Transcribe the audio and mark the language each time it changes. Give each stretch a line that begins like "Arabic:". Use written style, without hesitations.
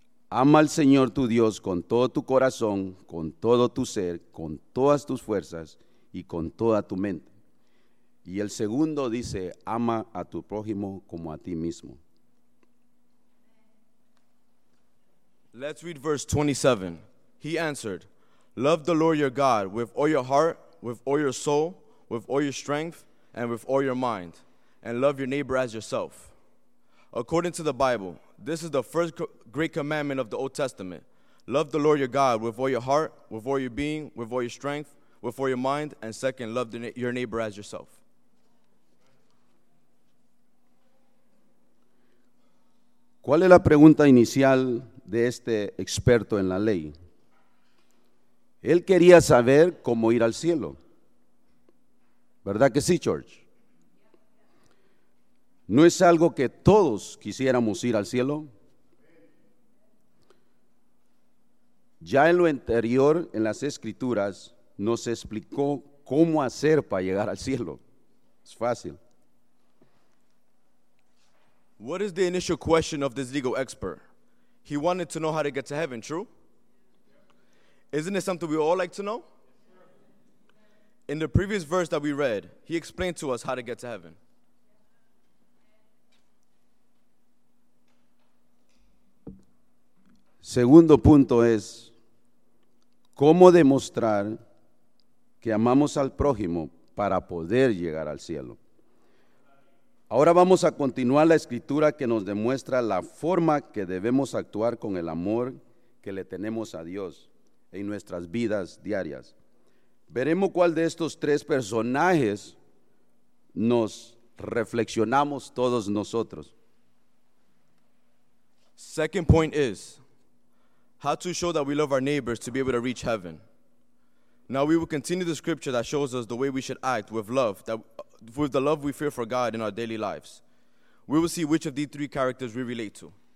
Spanish: Ama al Señor tu Dios con todo tu corazón, con todo tu ser, con todas tus fuerzas y con toda tu mente. Y el segundo dice, ama a tu prójimo como a ti mismo.
English: Let's read verse 27. He answered, love the Lord your God with all your heart, with all your soul, with all your strength, and with all your mind, and love your neighbor as yourself. According to the Bible, this is the first great commandment of the Old Testament. Love the Lord your God with all your heart, with all your being, with all your strength, with all your mind, and second, love your neighbor as yourself.
Spanish: ¿Cuál es la pregunta inicial de este experto en la ley? Él quería saber cómo ir al cielo. ¿Verdad que sí, George? ¿No es algo que todos quisiéramos ir al cielo? Ya en lo anterior, en las Escrituras, nos explicó cómo hacer para llegar al cielo. Es fácil.
English: What is the initial question of this legal expert? He wanted to know how to get to heaven, true? Isn't it something we all like to know? In the previous verse that we read, he explained to us how to get to heaven.
Spanish: Segundo punto es, ¿cómo demostrar que amamos al prójimo para poder llegar al cielo? Ahora vamos a continuar la escritura que nos demuestra la forma que debemos actuar con el amor que le tenemos a Dios en nuestras vidas diarias. Veremos cuál de estos tres personajes nos reflexionamos todos nosotros.
English: Second point is, how to show that we love our neighbors to be able to reach heaven. Now we will continue the scripture that shows us the way we should act with love, that with the love we fear for God in our daily lives. We will see which of these three characters we relate to.